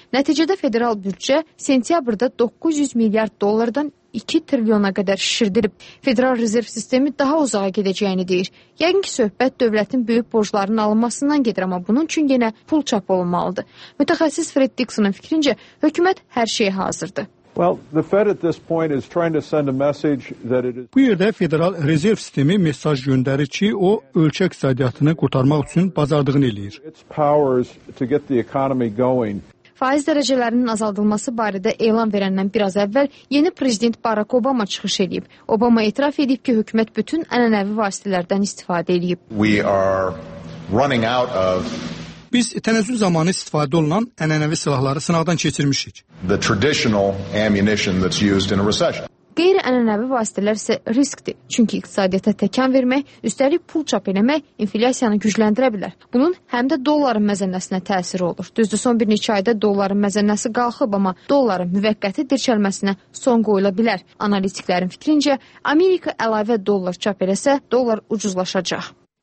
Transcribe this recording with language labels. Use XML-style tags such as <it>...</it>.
<az>Nəticədə federal büdcə sentyabr 900 milyard dollardan 2 trilyona qədər şişirdirib. Federal rezerv sistemi daha uzağa gedəcəyini deyir. Yəqin ki, söhbət dövlətin böyük borcların alınmasından gedir, amma bunun üçün yenə pul çap olunmalıdır. Mütəxəssis Fred Dixon'un fikrincə, hökumət hər şeyə hazırdır.</az> <en>Well, the Fed at this point is trying to send a message that it is.</en> <az>Bu yerdə Federal Rezerv Sistemi mesaj göndərir ki, o ölkə iqtisadiyyatını qurtarmaq üçün bacardığını eləyir.</az> <en>Its powers to get the economy going.</en> <az>Faiz dərəcələrinin azaldılması barədə elan verəndən biraz əvvəl yeni prezident Barack Obama çıxış edib. Obama etiraf edib ki, hökumət bütün ənənəvi vasitələrdən istifadə edib.</az> <en>We are running out of.</en> <az>Biz tənəzzül zamanı istifadə olunan ənənəvi silahları sınaqdan keçirmişik.</az> <en>The traditional ammunition that's used in a recession.</en> <az>Qeyri-ənənəvi vasitələr isə riskdir, çünki iqtisadiyyata təkan vermək, üstəlik pul çap eləmək inflyasiyanı gücləndirə bilər. Bunun həm də dolların məzənnəsinə təsiri olur. Düzdür, son bir neçə ayda dolların məzənnəsi qalxıb, amma dolların müvəqqəti dirçəlməsinə son qoyula bilər. Analitiklərin fikrincə, Amerika əlavə dollar çap eləsə, dollar ucuzlaşacaq.</az>